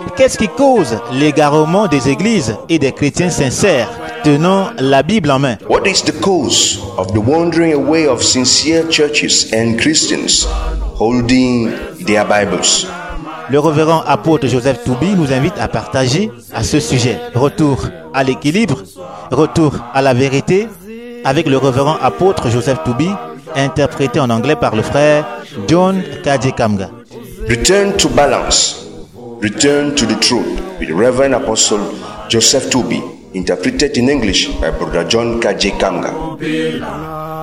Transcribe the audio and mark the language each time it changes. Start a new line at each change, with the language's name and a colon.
French: Qu'est-ce qui cause l'égarement des églises et des chrétiens sincères tenant la Bible en main?
English: What is the cause of the wandering away of sincere churches and Christians holding their Bibles?
French: Le révérend apôtre Joseph Toubi nous invite à partager à ce sujet. Retour à l'équilibre, retour à la vérité, avec le révérend apôtre Joseph Toubi, interprété en anglais par le frère John Kadjikamga.
English: Return to balance, return to the truth, with Reverend Apostle Joseph Toubi, interpreted in English by Brother John Kadjikamga.